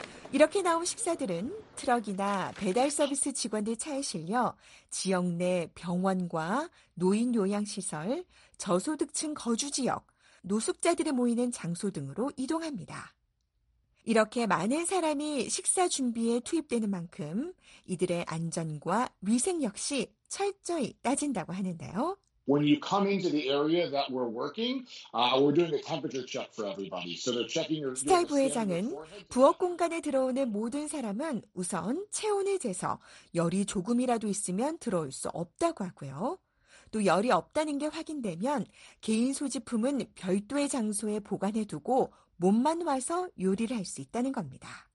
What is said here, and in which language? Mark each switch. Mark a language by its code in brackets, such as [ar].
[ko] 이렇게 나온 식사들은 트럭이나 배달 서비스 직원들 차에 실려 지역 내 병원과 노인 요양시설, 저소득층 거주지역, 노숙자들이 모이는 장소 등으로 이동합니다. 이렇게 많은 사람이 식사 준비에 투입되는 만큼 이들의 안전과 위생 역시 철저히 따진다고 하는데요. [en] When you come into the area that we're working, we're doing a temperature check for everybody. So they're checking your. [ko] 스타일 부회장은 부엌 공간에 들어오는 모든 사람은 우선 체온을 재서 열이 조금이라도 있으면 들어올 수 없다고 하고요. 또 열이 없다는 게 확인되면 개인 소지품은 별도의 장소에 보관해 두고 몸만 와서 요리를 할 수 있다는 겁니다.